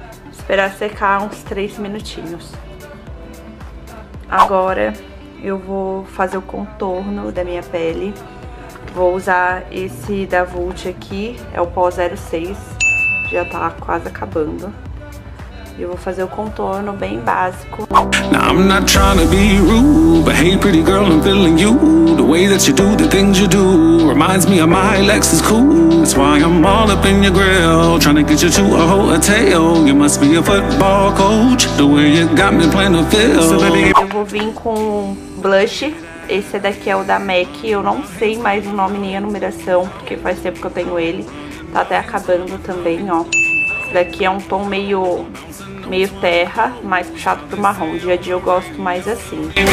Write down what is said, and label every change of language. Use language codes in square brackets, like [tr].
[pt] Esperar secar uns 3 minutinhos. Agora eu vou fazer o contorno da minha pele, vou usar esse da Vult aqui, é o pó 06. já tá quase acabando. E eu vou fazer o contorno bem básico. [en] Now I'm not trying to be rude, but hey pretty girl, I'm feeling you. The way that you do the things you do reminds me of my Lexus cool. That's why I'm all up in your grill, trying to get you to a hotel. You must be a football coach, the way you got me playing the field. [pt] Eu vou vir com blush. Esse daqui é o da MAC. Eu não sei mais o nome nem a numeração, porque faz tempo que eu tenho ele. Tá até acabando também, ó. Esse daqui é um tom meio terra, mais puxado pro marrom. Dia a dia eu gosto mais assim.